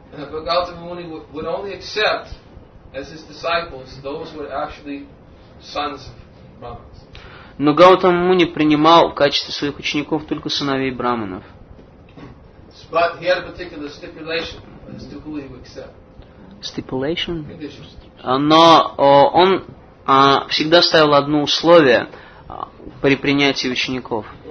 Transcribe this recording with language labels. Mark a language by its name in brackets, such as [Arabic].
[Russian] Но Гаутама Муни принимал в качестве своих учеников только сыновей браманов. [English] But he had a particular stipulation as to who he would accept. Stipulation? [Russian] Но он всегда ставил одно условие при принятии учеников.